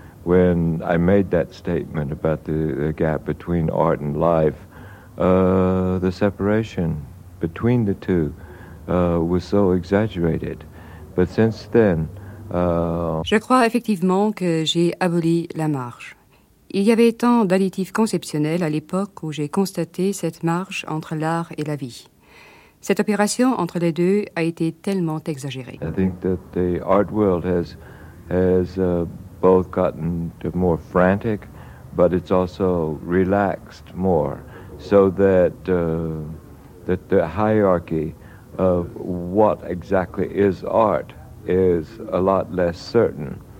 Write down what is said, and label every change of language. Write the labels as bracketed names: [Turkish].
[English] When I made that statement about the gap between art and life, the separation between the two was so exaggerated. But since then, [French] je crois effectivement que j'ai aboli la marge. Il y avait tant d'additifs conceptionnels à l'époque où j'ai constaté cette marge entre l'art et la vie. Cette opération entre les deux a été tellement exagérée. [English] I think that the art world has both gotten more frantic, but it's also relaxed more, so that that the hierarchy of what exactly is art is a lot less certain.